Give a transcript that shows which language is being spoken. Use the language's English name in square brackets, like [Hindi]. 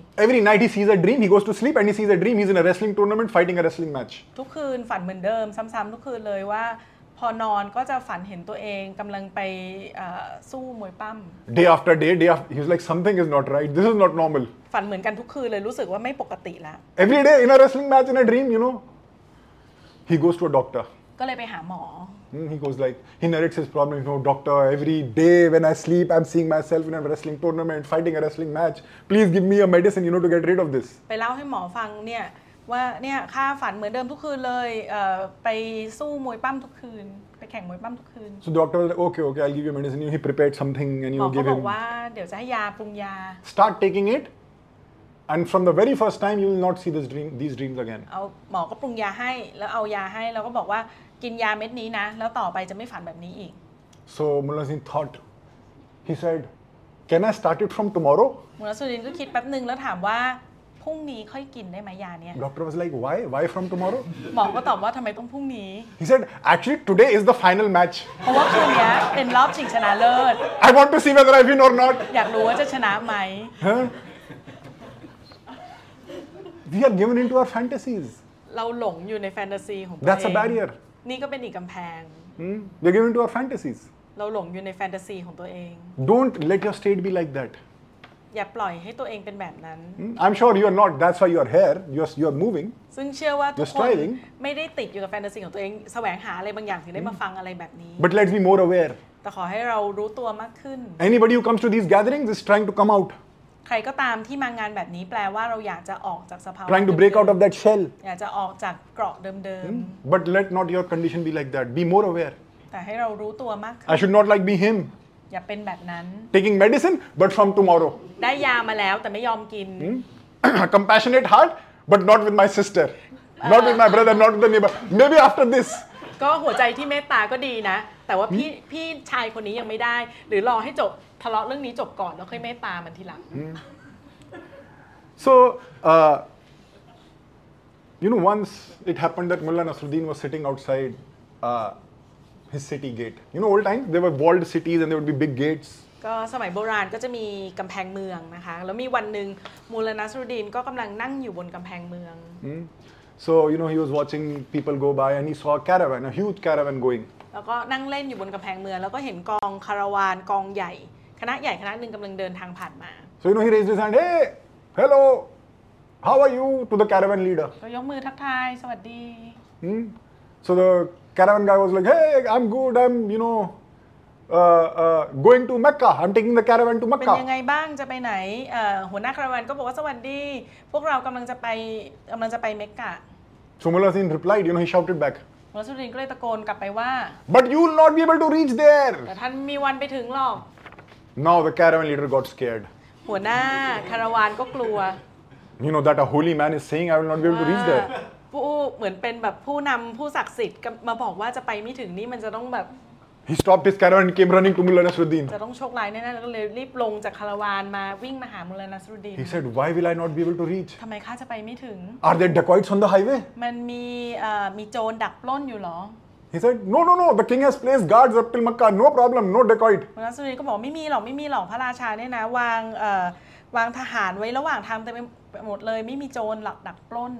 [English] ๆ Every night he sees a dream he goes to sleep and he sees a dream he's in a wrestling tournament fighting a wrestling match [Thai] ทุกคืนฝันเหมือนเดิมซ้ำๆทุกคืนเลยว่าพอนอนก็จะฝันเห็นตัวเองกำลังไปสู้มวยปั้ม [English] day after day day after he's like something is not right this is not normal [Thai] ฝันเหมือนกันทุกคืนเลยรู้สึกว่าไม่ปกติแล้ว [English] every day in a wrestling match in a dream you know he goes to a doctor [Thai] ก็เลยไปหาหม [English] อ he goes like he narrates his problem you know doctor every day when I sleep I'm seeing myself in a wrestling tournament fighting a wrestling match please give me a medicine you know to get rid of this [Thai] ไปเล่าให้หมอฟังเนี่ยว่าเนี่ยข้าฝันเหมือนเดิมทุกคืนเลยไปสู้มวยปั้มทุกคืนไปแข่งมวยปั้มทุกคืน [English] so doctor was like okay okay I'll give you medicine he prepared something and you give him [Thai] บอกว่าเดี๋ยวจะให้ยาปรุงยา [English] start taking it and from the very first time you will not see this dream these dreams again [Thai] เอาหมอก็ปรุงยาให้แล้วเอายาให้แล้วก็บอกว่ากินยาเม็ดนี้นะแล้วต่อไปจะไม่ฝันแบบนี้อีก [English] so มุลาซินthought he said can I start it from tomorrow [Thai] มุลาซูดินก็คิดแป๊บนึงแล้วถามว่าพรุ่งนี้ค่อยกินได้ไหมยาเนี่ย [English] Doctor was like why from tomorrow [Thai] หมอก็ตอบว่าทำไมต้องพรุ่งนี้ [English] He said actually today is the final match [Thai] เพราะว่าคืนนี้เป็นรอบชิงชนะเลิศ [English] I want to see whether I win or not [Thai] อยากรู้ว่าจะชนะไหม [English] We are given into our fantasies [Thai] เราหลงอยู่ในแฟนตาซีของตัวเอง [English] That's a barrier [Thai] นี่ก็เป็นอีกกำแพง [English] We are given into our fantasies [Thai] เราหลงอยู่ในแฟนตาซีของตัวเอง [English] Don't let your state be like that [Thai] อย่าปล่อยให้ตัวเองเป็นแบบนั้น [English] I'm sure you're not that's why you're here you're moving [Thai] ซึ่งเชื่อว่าทุกคนไม่ได้ติดอยู่กับแฟนตาซีของตัวเองแสวงหาอะไรบางอย่างถึงได้มาฟังอะไรแบบนี้ [English] But let's be more aware [Thai] แต่ขอให้เรารู้ตัวมากขึ้น [English] Anybody who comes to these gatherings is trying to come out [Thai] ใครก็ตามที่มางานแบบนี้แปลว่าเราอยากจะออกจากสภาวะ [English] Trying to break out of that shell [Thai] อยากจะออกจากเกราะเดิม [English] ๆ But let not your condition be like that be more aware [Thai] แต่ให้เรารู้ตัวมากขึ้น [English] I should not like be him [Thai] อย่าเป็นแบบนั้น [English] Taking medicine but from tomorrow [Thai] ได้ยามาแล้วแต่ไม่ยอมกิน [English] compassionate heart but not with my sister not with my brother not with the neighbor maybe after this [Thai] ก็หัวใจที่เมตตาก็ดีนะแต่ว่าพี่ชายคนนี้ยังไม่ได้หรือรอให้จบทะเลาะเรื่องนี้จบก่อนแล้วค่อยเมตตามันทีหลัง [English] so you know once it happened that Mullah Nasruddin was sitting outside his city gate you know old times there were walled cities and there would be big gates [Thai] ก็สมัยโบราณก็จะมีกำแพงเมืองนะคะแล้วมีวันหนึ่งมูลนัสรุดีนก็กำลังนั่งอยู่บนกำแพงเมือง [English] so you know he was watching people go by and he saw a caravan a huge caravan going [Thai] แล้วก็นั่งเล่นอยู่บนกำแพงเมืองแล้วก็เห็นกองคาราวานกองใหญ่คณะใหญ่คณะหนึ่งกำลังเดินทางผ่านมา [English] so you know he raised his hand hey hello how are you to the caravan leader [Thai] ก็ยกมือทักทายสวัสดี [English] so the caravan guy was like hey I'm good I'm you knowgoing to Mecca I'm taking the caravan to Mecca [Thai] เป็นยังไงบ้างจะไปไหนหัวหน้าคาราวานก็บอกว่าสวัสดีพวกเรากำลังจะไปเมกกะ [English] ซูมุลาซินรีพลายด์ you know he shouted back [Thai] มุลาซูดินก็เลยตะโกนกลับไปว่า [English] but you will not be able to reach there [Thai] แต่ท่านมีวันไปถึงหรอก [English] now the caravan leader got scared [Thai] หัวหน้าคาราวานก็กลัว [English] you know that a holy man is saying I will not be able to reach there [Thai] ผู้เหมือนเป็นแบบผู้นำผู้ศักดิ์สิทธิ์มาบอกว่าจะไปไม่ถึงนี่มันจะต้องแบบ [English] He stopped his caravan and came running to Mullah Nasruddin. [Thai] จะต้องโชคร้ายแน่ๆแล้วก็เลยรีบลงจากคาราวานมาวิ่งมาหามุลลานัสรุดดีน [English] He said, "Why will I not be able to reach?" [Thai] ทำไมข้าจะไปไม่ถึง [English] Are there dacoits on the highway? [Thai] มันมีโจรดักปล้นอยู่หรอ [English] He said, "No. The king has placed guards up till Makkah. No problem. No dacoit." [Thai] มุลลานัสรุดดีนก็บอกไม่มีหรอกพระราชาเนี่ยนะวางทหารไว้ระหว่างทางเต็มไปหมดเลยไม่มีโจรหลักดักปล้น